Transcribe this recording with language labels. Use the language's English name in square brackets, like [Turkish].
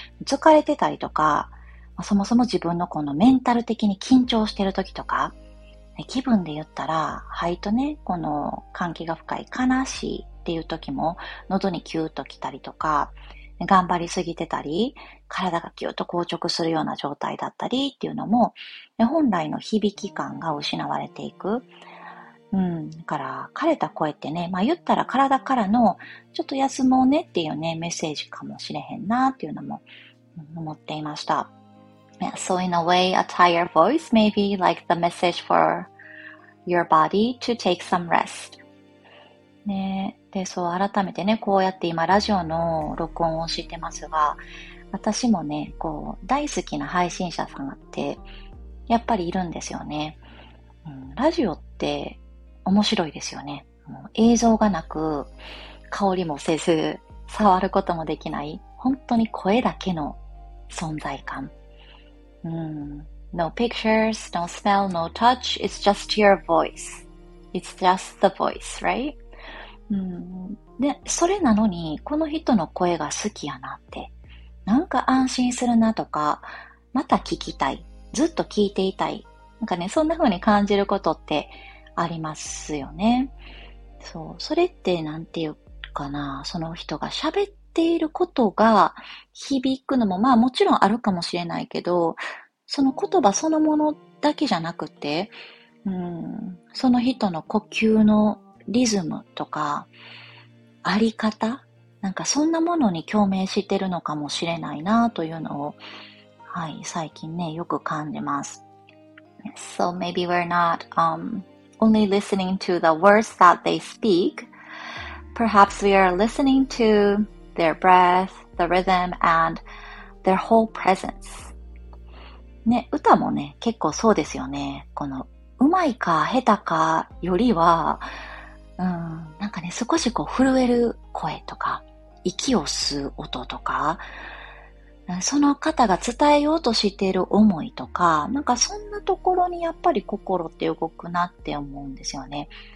[Japanese] 疲れてたりとか、そもそも自分のこのメンタル的に緊張してる時とか、気分で言ったら、肺とね、この関係が深い悲しいっていう時も、喉にキューッと来たりとか、頑張りすぎてたり、体がキューッと硬直するような状態だったりっていうのも、本来の響き感が失われていく。だから、枯れた声ってね、まあ言ったら体からの、ちょっと休もうねっていうね、メッセージかもしれへんなっていうのも思っていました。 [English] Yeah, so in a way, a tired voice may be like the message for your body to take some rest. [Japanese] ね、で、そう、改めてね、こうやって今ラジオの録音をしてますが、私もね、こう、大好きな配信者さんって、やっぱりいるんですよね。うん、ラジオって面白いですよね。もう映像がなく、香りもせず、触ることもできない、本当に声だけの存在感。 [English] うん、No pictures, no smell, no touch, it's just your voice. It's just the voice, right?、 [Japanese] うん、で、それなのに、この人の声が好きやなって、なんか安心するなとか、また聞きたい、ずっと聞いていたい。なんかね、そんな風に感じることってありますよね。そう、それってなんていうかな、その人が喋っていることが響くのも、まあもちろんあるかもしれないけど、その言葉そのものだけじゃなくて、うん、その人の呼吸のリズムとか、あり方、なんかそんなものに共鳴してるのかもしれないなというのを、はい、最近ね、よく感じます。 [English] So maybe we're not, only listening to the words that they speak. Perhaps we are listening to their breath, the rhythm, and their whole presence. [Japanese] ね、歌もね、結構そうですよね。この、うまいか下手かよりは、うん、なんかね、少しこう震える声とか、息を吸う音とか、その方が伝えようとしている思いとか、なんかそんなところにやっぱり心って動くなって思うんですよね。